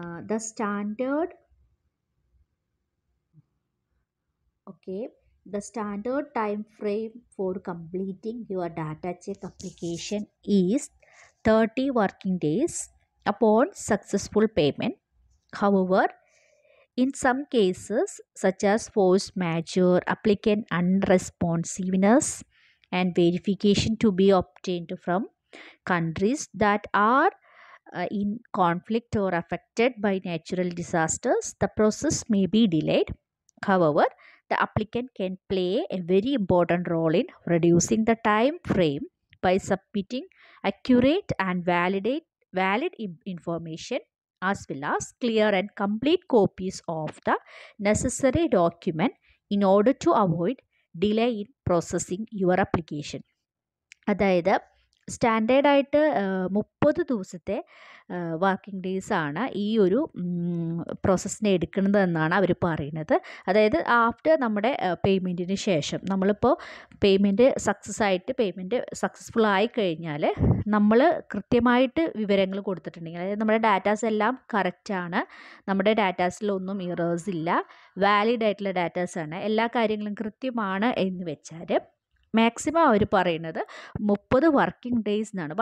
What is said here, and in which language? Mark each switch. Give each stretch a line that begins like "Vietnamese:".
English: The standard okay the standard time frame for completing your data check application is 30 working days upon successful payment. However, in some cases, such as force majeure, applicant unresponsiveness, and verification to be obtained from countries that are in conflict or affected by natural disasters, the process may be delayed. However, the applicant can play a very important role in reducing the time frame by submitting accurate and valid information as well as clear and complete copies of the necessary document in order to avoid delay in processing your application.
Malayalam: അതായത് സ്റ്റാൻഡേർഡായിട്ട് 30 ദിവസത്തെ working days ആണ് ഈ ഒരു പ്രോസസ്സിനെ എടുക്കുന്നത് എന്നാണ് അവർ പറയുന്നത്. അതായത് after നമ്മുടെ പേയ്മെൻറ്റിന് ശേഷം, നമ്മളിപ്പോൾ പേയ്മെൻറ്റ് സക്സസ് ആയിട്ട് പേയ്മെൻറ്റ് സക്സസ്ഫുൾ ആയിക്കഴിഞ്ഞാൽ നമ്മൾ കൃത്യമായിട്ട് വിവരങ്ങൾ കൊടുത്തിട്ടുണ്ടെങ്കിൽ, അതായത് നമ്മുടെ ഡാറ്റാസ് എല്ലാം കറക്റ്റാണ്, നമ്മുടെ ഡാറ്റാസിലൊന്നും ഇറേഴ്സ് ഇല്ല, വാലിഡ് ആയിട്ടുള്ള ഡാറ്റാസ് ആണ്, എല്ലാ കാര്യങ്ങളും കൃത്യമാണ് എന്ന് വെച്ചാൽ മാക്സിമം അവർ പറയുന്നത് 30 വർക്കിംഗ് ഡേയ്സ് എന്നാണ്.